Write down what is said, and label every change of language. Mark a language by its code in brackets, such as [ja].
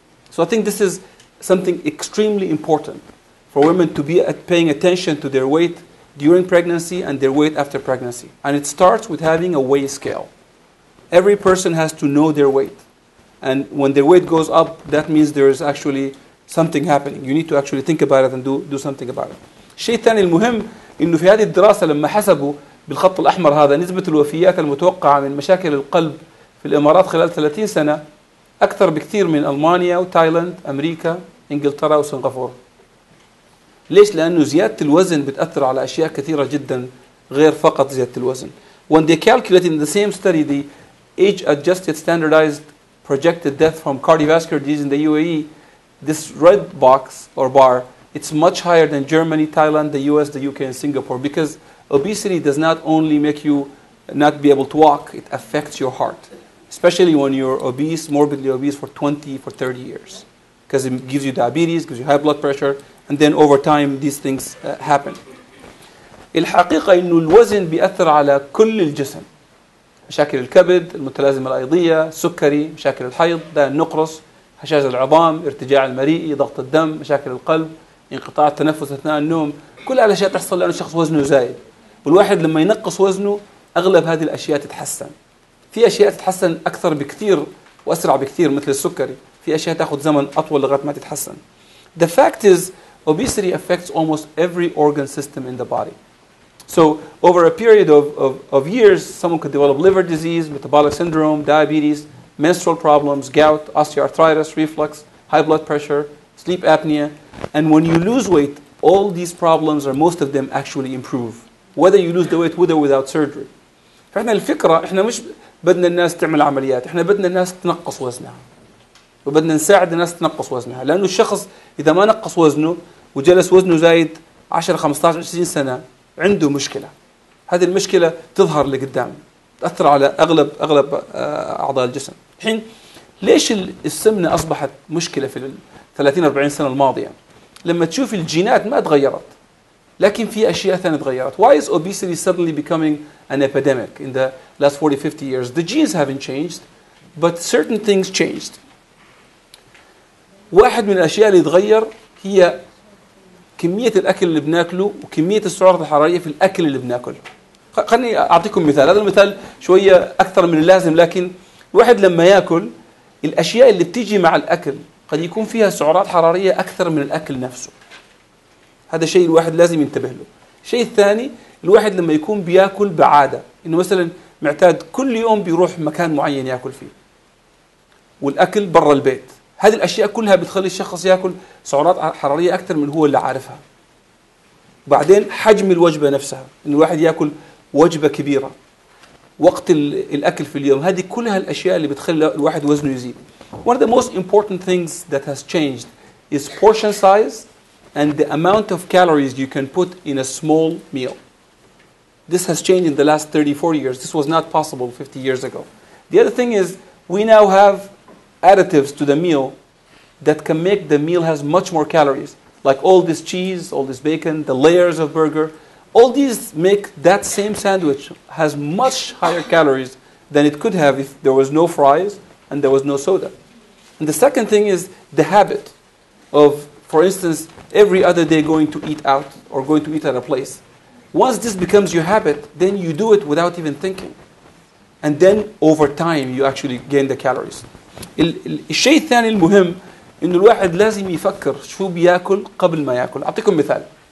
[en] So I think this is something extremely important for women to be paying attention to their weight during pregnancy and their weight after pregnancy. And it starts with having a weigh scale. Every person has to know their weight. And when their weight goes up, that means there is actually something happening. You need to actually think about it and do something about it. [ar] الشيء الثاني المهم إنه في هذه الدراسة لما حسبوا بالخط الأحمر هذا نسبة الوفيات المتوقعة من مشاكل القلب في الإمارات خلال 30 سنة أكثر بكثير من ألمانيا وتايلاند أمريكا إنجلترا وسنغافورة. ليش؟ لأنه زيادة الوزن بتأثر على أشياء كثيرة جدا غير فقط زيادة الوزن. [en] When they calculated in the same study the age-adjusted standardized projected death from cardiovascular disease in the UAE, this red box or bar, it's much higher than Germany, Thailand, the US, the UK, and Singapore, because obesity does not only make you not be able to walk, it affects your heart, especially when you're obese, morbidly obese for 20, for 30 years, because it gives you diabetes, gives you high blood pressure, and then over time, these things happen. [ar] الحقيقة إنه الوزن بيأثر على كل الجسم. مشاكل الكبد، المتلازمة الأيضية، سكري، مشاكل الحيض، داء النقرس، هشاشة العظام، ارتجاع المريئي، ضغط الدم، مشاكل القلب، انقطاع التنفس أثناء النوم، كل هذه الأشياء تحصل لأن الشخص وزنه زايد. والواحد لما ينقص وزنه أغلب هذه الأشياء تتحسن. في أشياء تتحسن أكثر بكثير وأسرع بكثير مثل السكري، في أشياء تأخذ زمن أطول لغاية ما تتحسن. [en] The fact is, obesity affects almost every organ system in the body. So over a period of years, someone could develop liver disease, metabolic syndrome, diabetes, menstrual problems, gout, osteoarthritis, reflux, high blood pressure, sleep apnea. And when you lose weight, all these problems or most of them actually improve, whether you lose the weight with or without surgery. [ar] فإحنا الفكرة إحنا مش بدنا الناس تعمل عمليات، إحنا بدنا الناس تنقص وزنها وبدنا نساعد الناس تنقص وزنها. لأنه الشخص إذا ما نقص وزنه وجلس وزنه زايد 10-15-20 سنة عنده مشكلة، هذه المشكلة تظهر لقدام تأثر على أغلب أعضاء الجسم. الحين ليش السمنة أصبحت مشكلة في 30-40 سنة الماضية؟ لما تشوف الجينات ما تغيرت لكن في أشياء ثانية تغيرت. [en] Why is obesity suddenly becoming an epidemic in the last 40-50 years? The genes haven't changed but certain things changed. [ar] واحد من الأشياء اللي تغير هي كمية الأكل اللي بناكله وكمية السعرات الحرارية في الأكل اللي بناكله. خلني أعطيكم مثال، هذا المثال شوية أكثر من اللازم، لكن الواحد لما يأكل الأشياء اللي بتيجي مع الأكل قد يكون فيها سعرات حرارية أكثر من الأكل نفسه. هذا شيء الواحد لازم ينتبه له. الشيء الثاني، الواحد لما يكون بيأكل بعادة، إنه مثلا معتاد كل يوم بيروح مكان معين يأكل فيه والأكل برا البيت، هذه الأشياء كلها بتخلي الشخص يأكل سعرات حرارية أكثر من هو اللي عارفها. وبعدين حجم الوجبة نفسها، إن الواحد يأكل وجبة كبيرة، وقت الأكل في اليوم، هذه كلها الأشياء اللي بتخلي الواحد وزنه يزيد. [en] One of the most important things that has changed is portion size and the amount of calories you can put in a small meal. This has changed in the last 34 years. This was not possible 50 years ago. The other thing is we now have additives to the meal that can make the meal has much more calories. Like all this cheese, all this bacon, the layers of burger, all these make that same sandwich has much higher calories than it could have if there was no fries and there was no soda. And the second thing is the habit of, for instance, every other day going to eat out or going to eat at a place. Once this becomes your habit, then you do it without even thinking. And then over time, you actually gain the calories. [ar] الشيء الثاني المهم إنه الواحد لازم يفكر شو بياكل قبل ما يأكل. أعطيكم مثال.